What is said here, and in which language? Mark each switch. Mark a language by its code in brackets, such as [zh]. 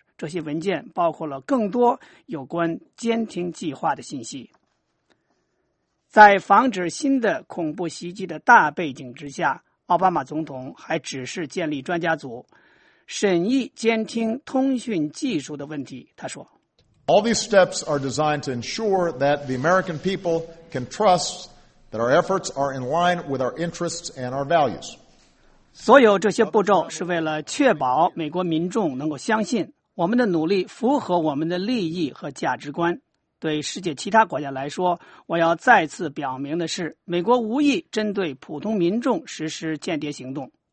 [zh] 这些文件包括了更多有关监听计划的信息。在防止新的恐怖袭击的大背景之下，奥巴马总统还指示建立专家组，审议监听通讯技术的问题。他说 [en] All these steps are designed to ensure that the American people can trust that our efforts are in line with our interests and our values. [zh] 所有这些步骤是为了确保美国民众能够相信我们的努力符合我们的利益和价值观。对世界其他国家来说，我要再次表明的是，美国无意针对普通民众实施间谍行动。